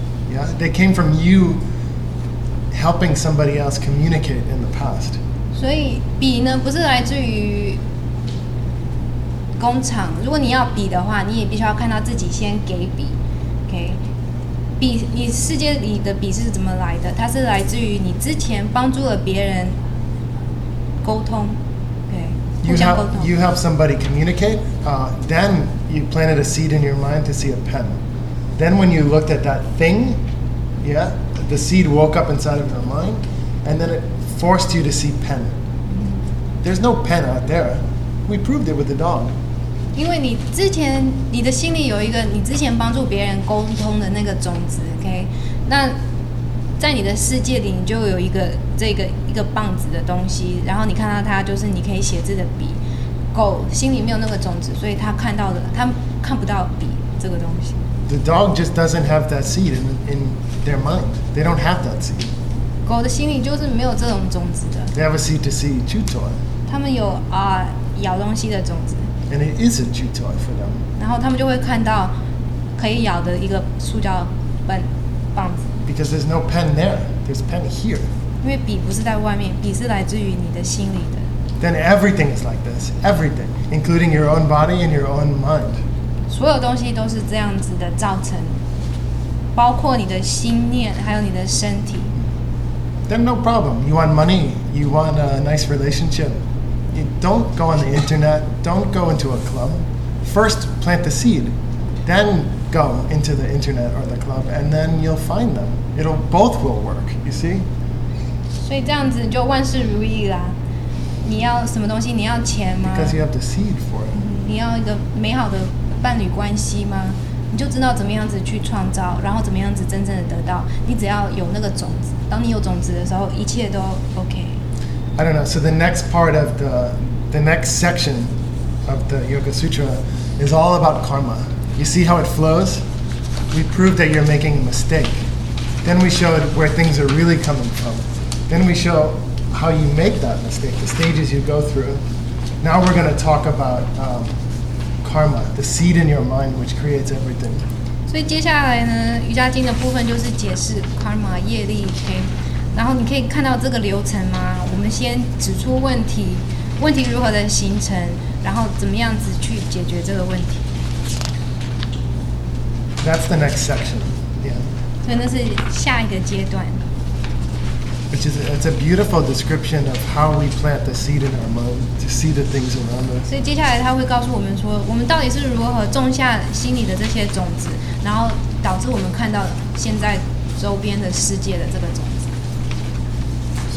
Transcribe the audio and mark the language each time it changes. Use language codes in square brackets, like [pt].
[en] Yeah, they came from you helping somebody else communicate in the past. [zh] 所以笔呢，不是来自于工厂。如果你要笔的话，你也必须要看到自己先给笔。 [en] OK。 [zh] 笔，你世界里的笔是怎么来的？它是来自于你之前帮助了别人沟通 ，OK， 互相沟通。 [en] You help somebody communicate, then you planted a seed in your mind to see a pen. Then when you looked at that thing, yeah, the seed woke up inside of your mind, and then it forced you to see pen. There's no pen out there. We proved it with the dog. [zh] 因为你之前你的心里有一个你之前帮助别人沟通的那个种子 ，OK， 那在你的世界里你就有一个这个一个棒子的东西，然后你看到它就是你可以写字的笔。狗心里没有那个种子，所以它看到的它看不到笔这个东西。 [en] The dog just doesn't have that seed in their mind. They don't have that seed. [zh] 狗的心里就是没有这种种子的。 [en] They have a seed to see chew toy. [zh] 他们有啊、咬东西的种子。 [en] And it is a chew toy for them. [zh] 然后他们就会看到可以咬的一个塑胶棒子。 [en] Because there's no pen there. There's pen here. [zh] 因为笔不是在外面，笔是来自于你的心里的。 [en] Then everything is like this. Everything, including your own body and your own mind. [zh] 所有东西都是这样子的造成，包括你的心念，还有你的身体。 [en] Then no problem. You want money. You want a nice relationship. You don't go on the internet, don't go into a club. First plant the seed, then go into the internet or the club, and then you'll find them. It'll both will work, you see? [zh] 所以这样子就万事如意啦。你要什么东西？你要钱吗？ [en] Because you have the seed for it. [zh] 你要一个美好的伴侣关系吗？你就知道怎么样子去创造，然后怎么样子真正的得到。你只要有那个种子，当你有种子的时候，一切都 OK。 [en] I don't know. So the next part of the next section of the Yoga Sutra is all about karma. You see how it flows? We proved that you're making a mistake. Then we showed where things are really coming from. Then we show how you make that mistake, the stages you go through. Now we're going to talk about karma, the seed in your mind which creates everything. [zh] So, 接下来呢，瑜伽经的部分就是解释 karma 业力 ，OK。然后你可以看到这个流程吗？我们先指出问题，问题如何的形成，然后怎么样子去解决这个问题。 [en] That's the next section. Yeah. [zh] 所以那是下一个阶段。 [en] Which is it's a beautiful description of how we plant the seed in our mind to see the things around us. [zh] 所以接下来他会告诉我们说，我们到底是如何种下心里的这些种子，然后导致我们看到现在周边的世界的这个种子。